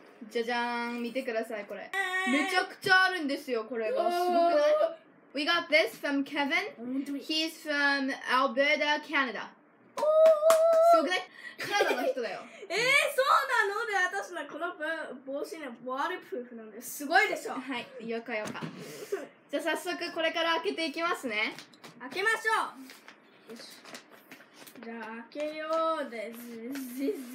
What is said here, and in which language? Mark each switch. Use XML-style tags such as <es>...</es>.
<ja>じゃじゃーん、見てください、これ。めちゃくちゃあるんですよ、これが。すごくない？</ja> <en>We got this from Kevin. He's from Alberta, Canada.</en> <ja>すごくない？カナダの人だよ。そうなので、私のこの帽子ね、ワールプルーフなんです。すごいでしょ。はい、よかよか。じゃあ早速これから開けていきますね。開けましょう。よし、じゃあ開けようで、ズズズ。</ja>